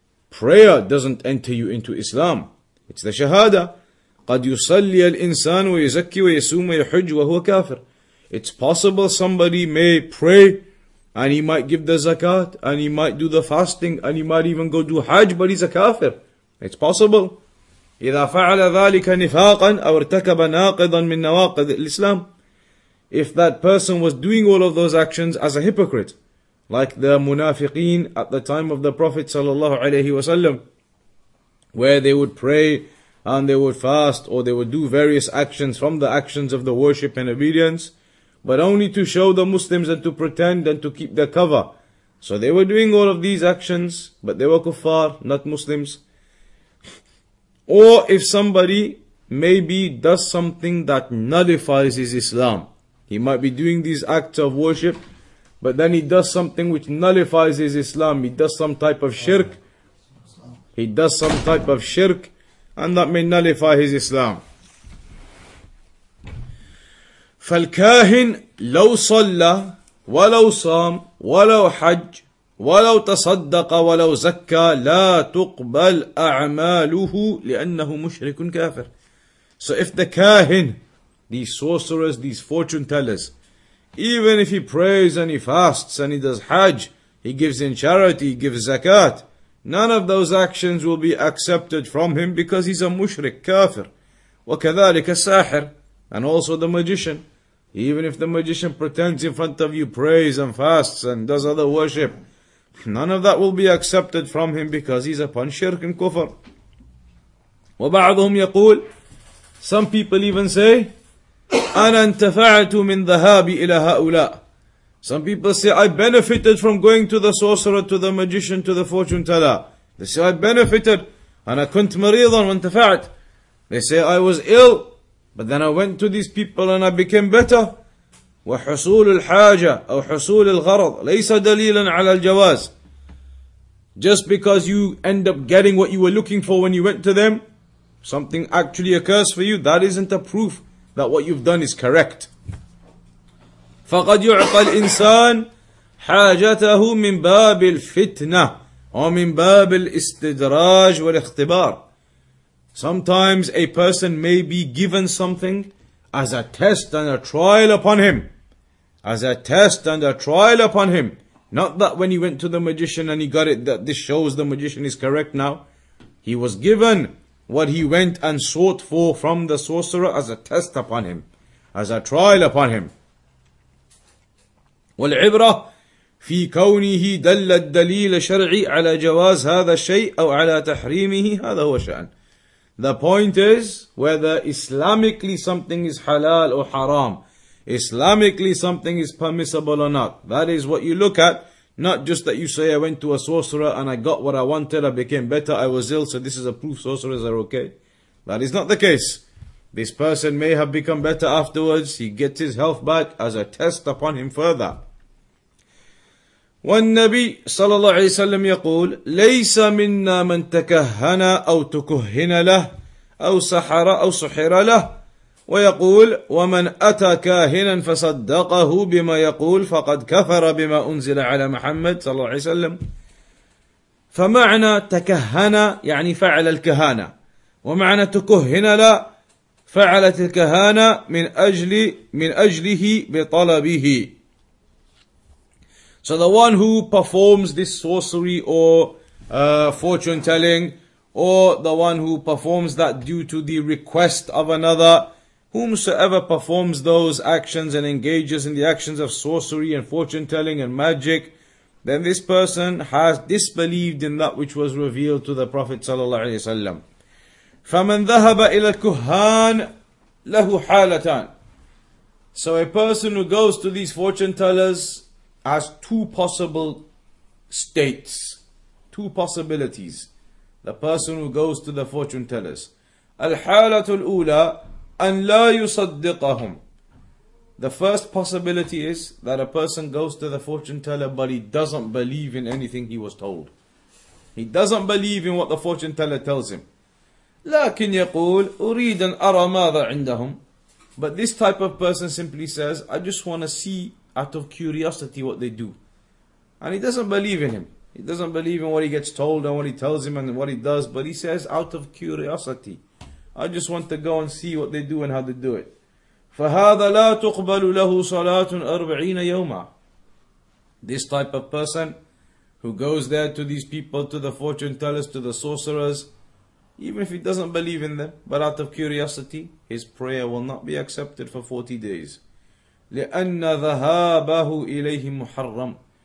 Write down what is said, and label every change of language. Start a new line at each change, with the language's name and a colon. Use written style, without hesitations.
English: Prayer doesn't enter you into Islam. It's the shahada.
Arabic: قَدْ يُصَلِّيَ الْإِنسَانُ وَيُزَكِّي وَيَسُومُ وَيَحُجُّ وَهُوَ كَافِرٌ.
English: It's possible somebody may pray and he might give the zakat and he might do the fasting and he might even go do hajj, but he's a kafir. It's possible.
Arabic: إذا فعل ذلك نفاقا أو ارتكب ناقضا من نواقض الإسلام.
English: If that person was doing all of those actions as a hypocrite, like the munafiqeen at the time of the Prophet sallallahu alayhi wasallam, where they would pray and they would fast or they would do various actions from the actions of the worship and obedience, but only to show the Muslims and to pretend and to keep their cover. So they were doing all of these actions, but they were kuffar, not Muslims. Or if somebody maybe does something that nullifies his Islam, he might be doing these acts of worship, but then he does something which nullifies his Islam. He does some type of shirk. He does some type of shirk, and that may nullify his Islam.
Arabic: فالكاهن لو صلى ولو صام ولو حج ولو تصدق ولو زكى لا تقبل أعماله لأنه مشرك كافر.
English: So if the kahin, these sorcerers, these fortune tellers, even if he prays and he fasts and he does hajj, he gives in charity, he gives zakat, none of those actions will be accepted from him because he's a mushrik, kafir.
Arabic: وكذلك الساحر,
English: and also the magician. Even if the magician pretends in front of you, prays and fasts and does other worship, none of that will be accepted from him because he's upon shirk and kufr.
Arabic: وبعضهم يقول,
English: some people even say,
Arabic: أنا انتفعت من ذهابي إلى هؤلاء.
English: Some people say, I benefited from going to the sorcerer, to the magician, to the fortune teller. They say, I benefited, and I
Arabic: كنت مريضا وانتفعت.
English: They say, I was ill, but then I went to these people and I became better.
Arabic: وحصول الحاجة أو حصول الغرض ليس دليلا على الجواز.
English: Just because you end up getting what you were looking for when you went to them, something actually occurs for you, that isn't a proof that what you've done is correct.
Arabic: فَقَدْ يُعْطَى الْإِنسَانِ حَاجَتَهُ مِنْ بَابِ الْفِتْنَةِ وَمِنْ بَابِ الْإِسْتِدْرَاجِ وَالْإِخْتِبَارِ.
English: Sometimes a person may be given something as a test and a trial upon him. As a test and a trial upon him. Not that when he went to the magician and he got it, that this shows the magician is correct now. He was given what he went and sought for from the sorcerer as a test upon him, as a trial upon him.
Arabic: والعبرة في كونه دل الدليل الشرعي على جواز هذا الشيء أو على تحريمه هذا هو شأن.
English: The point is whether Islamically something is halal or haram, Islamically something is permissible or not. That is what you look at, not just that you say I went to a sorcerer and I got what I wanted, I became better, I was ill, so this is a proof sorcerers are okay. That is not the case. This person may have become better afterwards. He gets his health back as a test upon him further.
Arabic: والنبي صلى الله عليه وسلم يقول ليس منا من تكهن أو تكهن له أو سحر أو سحر له ويقول ومن أتى كاهنا فصدقه بما يقول فقد كفر بما أنزل على محمد صلى الله عليه وسلم. فمعنى تكهن يعني فعل الكهانة ومعنى تكهن له فعلت الكهانة من أجله بطلبه.
English: So the one who performs this sorcery or fortune telling, or the one who performs that due to the request of another, whomsoever performs those actions and engages in the actions of sorcery and fortune telling and magic, then this person has disbelieved in that which was revealed to the Prophet sallallahu alaihi wasallam.
Arabic: فَمَنْ ذَهَبَ إِلَى الْكُهَّانِ لَهُ حَالَتَانِ.
English: So a person who goes to these fortune tellers has two possible states, two possibilities. The person who goes to the fortune tellers.
Arabic: الْحَالَةُ الْأُولَى أَنْ لَا يُصَدِّقَهُمْ.
English: The first possibility is that a person goes to the fortune teller but he doesn't believe in anything he was told. He doesn't believe in what the fortune teller tells him.
Arabic: لكن يقول أريد أن أرى ماذا عندهم.
English: But this type of person simply says, I just want to see out of curiosity what they do. And he doesn't believe in him. He doesn't believe in what he gets told and what he tells him and what he does. But he says, out of curiosity, I just want to go and see what they do and how they do it.
Arabic: فهذا لا تقبل له صلاة أربعين يوما.
English: This type of person who goes there to these people, to the fortune tellers, to the sorcerers, even if he doesn't believe in them, but out of curiosity, his prayer will not be accepted for 40 days.
Arabic: لِأَنَّ ذَهَابَهُ إِلَيْهِ مُحَرَّمٌ.